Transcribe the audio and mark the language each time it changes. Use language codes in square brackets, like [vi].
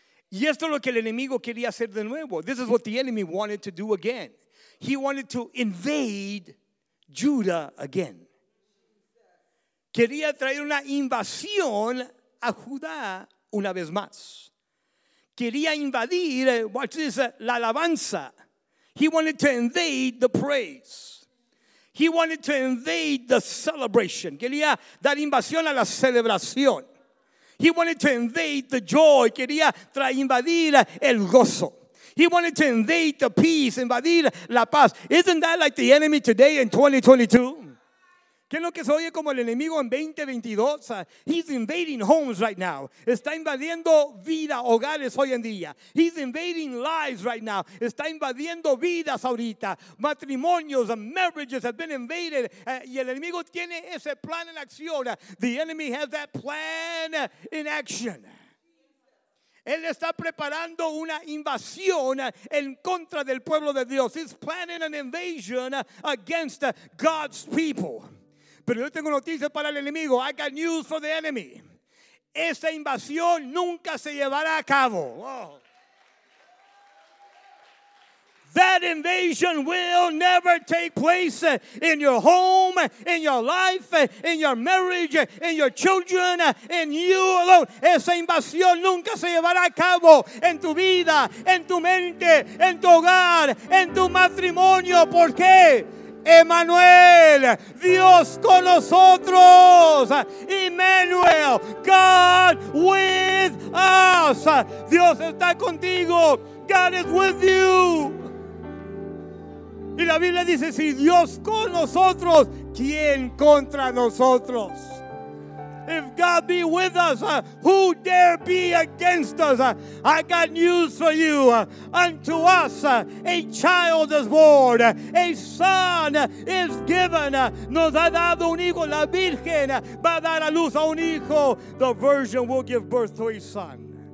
[es] Y esto es lo que el enemigo quería hacer de nuevo. [en] This is what the enemy wanted to do again. He wanted to invade Judah again. [es] Quería traer una invasión a Judá una vez más. Quería invadir, [en] watch this, [es] la alabanza. [en] He wanted to invade the praise. He wanted to invade the celebration. [es] Quería dar invasión a la celebración. [en] He wanted to invade the joy. [es] Quería invadir el gozo. [en] He wanted to invade the peace, [es] invadir la paz. [en] Isn't that like the enemy today in 2022? [es] ¿Qué es lo que se oye como el enemigo en 2022? [en] He's invading homes right now. [es] Está invadiendo vida, hogares hoy en día. [en] He's invading lives right now. [es] Está invadiendo vidas ahorita. [en] Matrimonios and marriages have been invaded. [es] Y el enemigo tiene ese plan en acción. [en] The enemy has that plan in action. [es] Él está preparando una invasión en contra del pueblo de Dios. [en] He's planning an invasion against God's people. [es] Pero yo tengo noticias para el enemigo. [en] I got news for the enemy. [es] Esa invasión nunca se llevará a cabo. Oh. [en] That invasion will never take place in your home, in your life, in your marriage, in your children, in you alone. [es] Esa invasión nunca se llevará a cabo en tu vida, en tu mente, en tu hogar, en tu matrimonio. ¿Por qué? Emmanuel, Dios con nosotros. [en] Emmanuel, God with us. [es] Dios está contigo. [en] God is with you. [es] Y la Biblia dice, si Dios con nosotros, ¿quién contra nosotros? [en] If God be with us, who dare be against us? I got news for you. Unto us, a child is born. A son is given. [es] Nos ha dado un hijo. La Virgen va a dar a luz a un hijo. [en] The Virgin will give birth to a son.